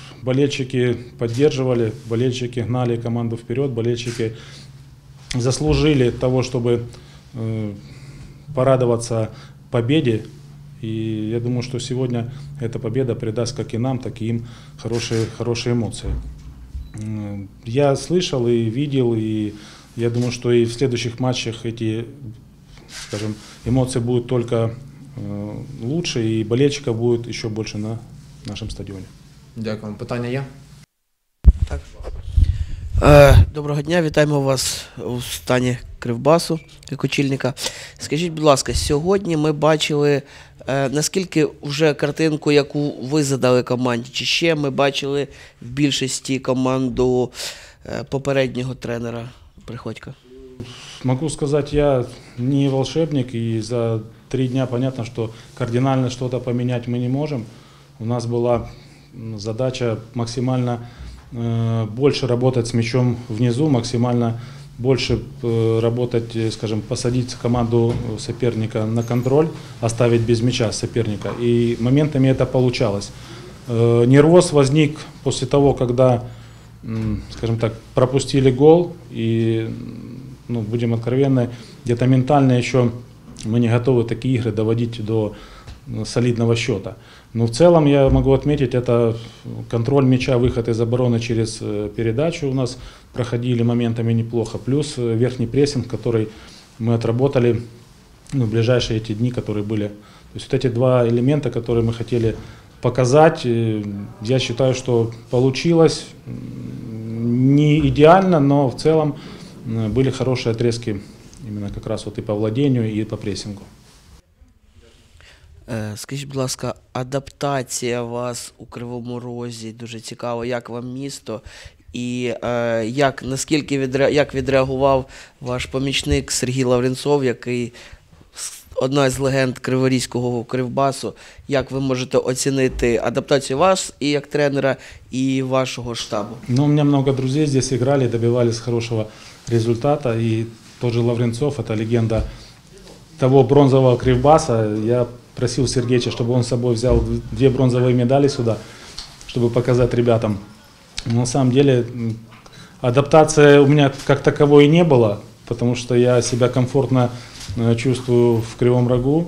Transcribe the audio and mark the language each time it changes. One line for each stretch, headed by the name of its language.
Russian: Болельщики поддерживали, болельщики гнали команду вперед, болельщики заслужили того, чтобы порадоваться победе, и я думаю, что сегодня эта победа придаст как и нам, так и им хорошие эмоции. Я слышал и видел, и я думаю, что и в следующих матчах эти, скажем, эмоции будут только лучше, и болельщиков будет еще больше на нашем стадионе.
Ukrainian: Дякую. Питання є? Так. Доброго дня, вітаємо вас у стані Кривбасу, як очільника. Скажіть, будь ласка, сьогодні ми бачили, наскільки вже картинку, яку ви задали команді, чи ще ми бачили в більшості команду попереднього тренера Приходька?
Russian: Могу
Ukrainian: сказати,
Russian: я не волшебник,
Ukrainian: і за три дні зрозуміло, що кардинально щось поміняти ми не можемо.
Russian: У нас була задача максимально больше работать с мячом внизу, максимально больше работать, скажем, посадить команду соперника на контроль, оставить без мяча соперника. И моментами это получалось. Нервоз возник после того, когда, скажем так, пропустили гол. И, ну, будем откровенны, где-то ментально еще мы не готовы такие игры доводить до солидного счета. Но в целом я могу отметить, это контроль мяча, выход из обороны через передачу у нас проходили моментами неплохо. Плюс верхний прессинг, который мы отработали, ну, в ближайшие эти дни, которые были. То есть вот эти два элемента, которые мы хотели показать, я считаю, что получилось не идеально, но в целом были хорошие отрезки именно как раз вот и по владению, и по прессингу.
Ukrainian: Скажіть, будь ласка, адаптація вас у Кривому Розі, дуже цікаво, як вам місто, і як, наскільки як відреагував ваш помічник Сергій Лавренцов, який одна з легенд криворізького Кривбасу, як ви можете оцінити адаптацію вас і як тренера, і вашого штабу? Ну, у мене багато друзів тут грали, добивались хорошого результату, і теж Лавренцов, це легенда того бронзового Кривбаса,
Russian: я просил Сергеича, чтобы он с собой взял две бронзовые медали сюда, чтобы показать ребятам. Но на самом деле адаптации у меня как таковой и не было, потому что я себя комфортно чувствую в Кривом Рогу.